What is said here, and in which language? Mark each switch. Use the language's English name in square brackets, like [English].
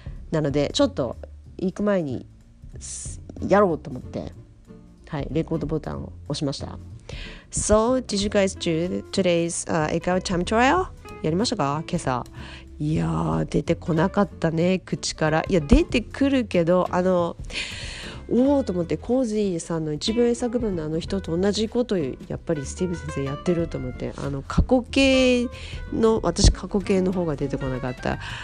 [Japanese] なのでちょっと行く前にやろうと思って、はい、レコードボタンを押しました。 [English] So, did you guys do today's eight-hour time trial? [Japanese] やりましたか?今朝。いやー、出てこなかったね、口から。いや、出てくるけど、おーと思って、コージーさんの一文作文のあの人と同じことをやっぱりスティーブ先生やってると思って、過去形の、私過去形の方が出てこなかった。